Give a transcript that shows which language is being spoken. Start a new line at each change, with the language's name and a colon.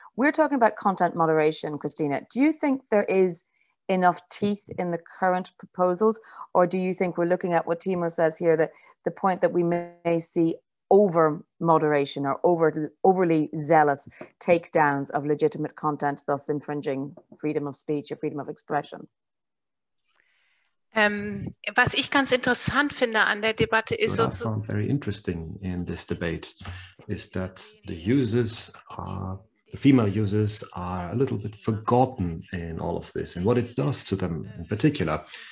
English: We're talking about content moderation, Christina. Do you think there is enough teeth in the current proposals, or do you think we're looking at what Timo says here, that the point that we may see over moderation or overly zealous takedowns of legitimate content, thus infringing freedom of speech or freedom of expression?
German: Was ich ganz interessant finde an der Debatte ist
English: what I found very interesting in this debate is that the users are, the female users are a little bit forgotten in all of this and what it does to them in particular.